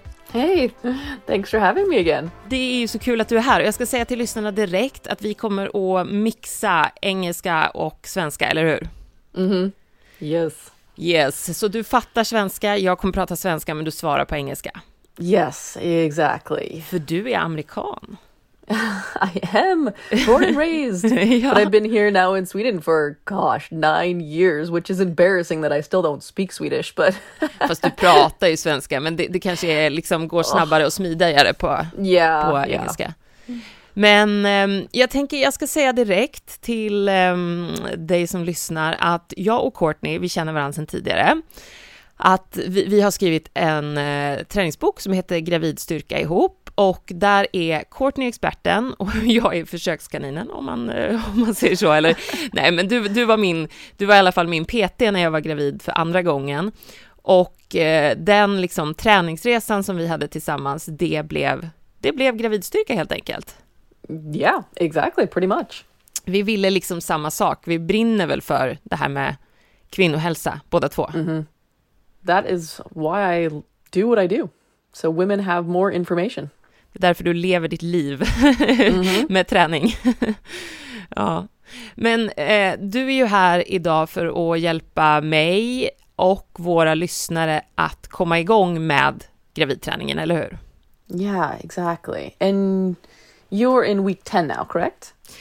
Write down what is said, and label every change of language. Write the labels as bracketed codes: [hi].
[en] Hej, thanks for having me again. [sv] Det är ju så kul att du är här. Jag ska säga till lyssnarna direkt att vi kommer att mixa engelska och svenska, eller hur? [en] Mm-hmm. Yes. [sv] Yes, så du fattar svenska, jag kommer prata svenska men du svarar på engelska. [en] Yes, exactly. [sv] För du är amerikan. [en] I am born and raised, yeah. But I've been here now in Sweden for, gosh, 9 years, which is embarrassing that I still don't speak Swedish, but... [sv] Fast du pratar ju svenska, men det kanske är, liksom, går snabbare och smidigare på, på engelska. Yeah. Men jag tänker, jag ska säga direkt till dig som lyssnar att jag och Courtney, vi känner varandra sedan tidigare, att vi har skrivit en träningsbok som heter Gravidstyrka ihop. Och där är Courtney experten och jag är försökskaninen om man säger så. Eller, nej, men du var i alla fall min PT när jag var gravid för andra gången. Och den liksom träningsresan som vi hade tillsammans, det blev gravidstyrka helt enkelt. [en] Ja, yeah, exactly, pretty much. [sv] Vi ville liksom samma sak. Vi brinner väl för det här med kvinnohälsa, båda två. [en] Mm-hmm. That is why I do what I do. So women have more information. [sv] Därför du lever ditt liv med träning. Ja. Men du är ju här idag för att hjälpa mig och våra lyssnare att komma igång med gravidträningen, eller hur? [en] Yeah, exactly. And you're in week 10 now, correct?